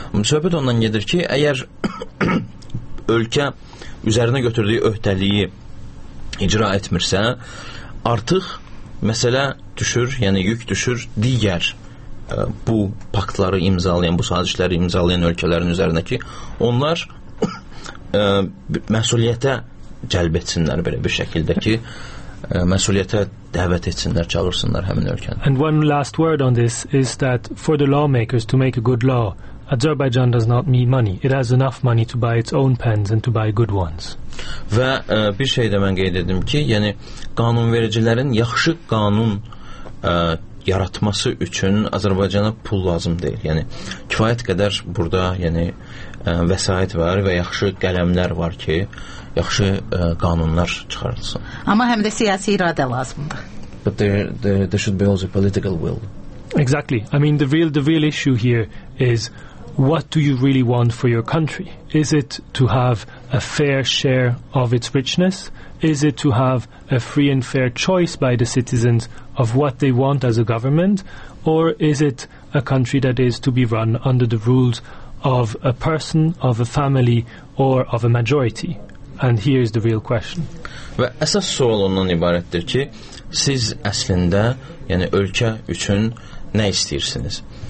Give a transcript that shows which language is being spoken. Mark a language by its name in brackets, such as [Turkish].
[Azerbaijani] Söhbət ondan gedir ki, əgər ölkə üzərinə götürdüyü öhdəliyi icra etmirsə, artıq məsələ düşür, yəni yük düşür digər bu paktları imzalayan, bu sazişləri imzalayan ölkələrin üzərinə ki, onlar məsuliyyətə cəlb etsinlər belə bir şəkildə ki, məsuliyyətə dəvət etsinlər, çağırsınlar həmin ölkəni. [English] And one last word on this is that for the lawmakers to make a good law, Azerbaijan does not need money. It has enough money to buy its own pens and to buy good ones. [Azerbaijani] Və bir şey də mən qeyd edim ki, yəni qanunvericilərin yaxşı qanun yaratması üçün Azərbaycana pul lazım deyil. Yəni kifayət qədər burada, yəni vəsait var və yaxşı qələmlər var ki, yaxşı qanunlar çıxarılsın. Amma həm də siyasi iradə lazımdır. [English] but there should be also political will. Exactly. I mean, the real issue here is, what do you really want for your country? Is it to have a fair share of its richness? Is it to have a free and fair choice by the citizens of what they want as a government? Or is it a country that is to be run under the rules of a person, of a family, or of a majority? And here is the real question. [Azerbaijani] Ve esas sual ondan ibarettir ki, siz aslında, yani ülke üçün ne istiyorsunuz?